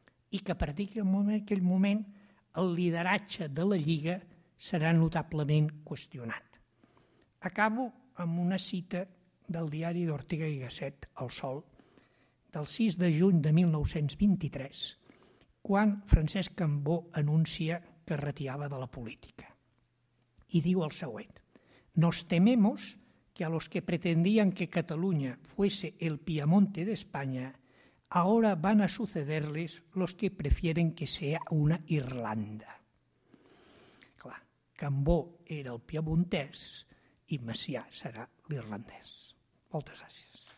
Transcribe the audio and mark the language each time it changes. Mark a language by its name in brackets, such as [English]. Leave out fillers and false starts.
[Catalan] I que a partir d'aquell moment el lideratge de la Lliga serà notablement qüestionat. Acabo amb una cita del diari d'Ortiga i Gasset, El Sol, del 6 de juny de 1923, quan Francesc Cambó anuncia que es retirava de la política. [Spanish] Y digo al següent: nos tememos que a los que pretendían que Cataluña fuese el Piamonte de España, ahora van a sucederles los que prefieren que sea una Irlanda. [Catalan] Clar, Cambó era el piamontès i Macià serà l'irlandès. Moltes gràcies.